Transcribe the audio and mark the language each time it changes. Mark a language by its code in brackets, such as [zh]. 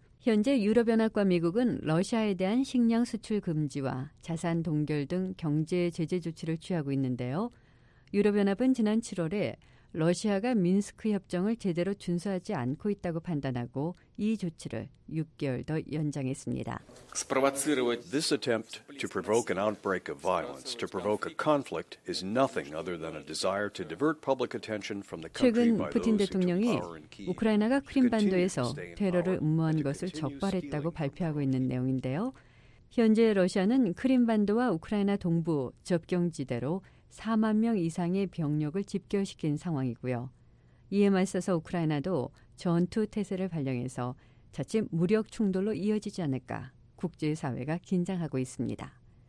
[ko] 현재 유럽연합과 미국은 러시아에 대한 식량 수출 금지와 자산 동결 등 경제 제재 조치를 취하고 있는데요. 유럽연합은 지난 7월에 러시아가 민스크 협정을 제대로 준수하지 않고 있다고 판단하고 이 조치를 6개월 더 연장했습니다. [en] This attempt to provoke an outbreak of violence, to provoke a conflict is nothing other than a desire to divert public attention from the country by those in power in Kyiv. [ko] 최근 푸틴 대통령이 우크라이나가 크림반도에서 테러를 음모한 것을 적발했다고 발표하고 있는 내용인데요. 현재 러시아는 크림반도와 우크라이나 동부 접경지대로 4만 명 이상의 병력을 집결시킨 상황이고요. 이에 맞서서 우크라이나도 전투태세를 발령해서 자칫 무력 충돌로 이어지지 않을까 국제사회가 긴장하고 있습니다.